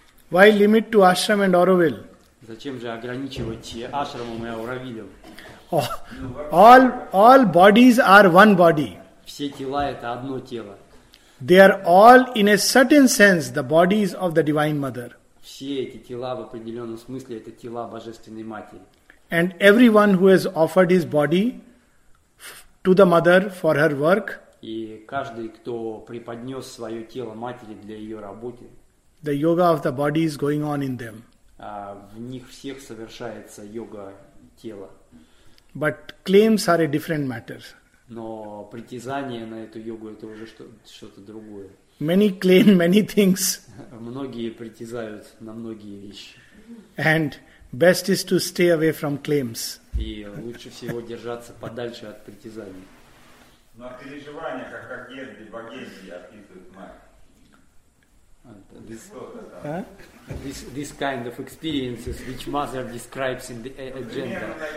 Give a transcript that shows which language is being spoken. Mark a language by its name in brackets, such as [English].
[English] Why limit to ashram and Auraville? [Russian] Зачем же ограничивать ашрамом и Auravillem? [English] All bodies are one body. [Russian] Все тела это одно тело. [English] They are all, in a certain sense, the bodies of the Divine Mother. [Russian] Все эти тела в определенном смысле это тела Божественной Матери. [English] And everyone who has offered his body to the Mother for her work. [Russian] И каждый, кто преподнес свое тело Матери для ее работы. [English] The yoga of the body is going on in them. [Russian] В них всех совершается йога тела. [English] But claims are a different matter. [Russian] Но притязание на эту йогу это уже что-то другое. [English] Many claim many things. [Russian] Многие притязают на многие вещи. [English] And best is to stay away from claims. [Russian] И лучше всего держаться подальше от притязаний. Но переживания, как одежды, багажи, описывают мать. [English] This kind of experiences which Mother describes in the agenda.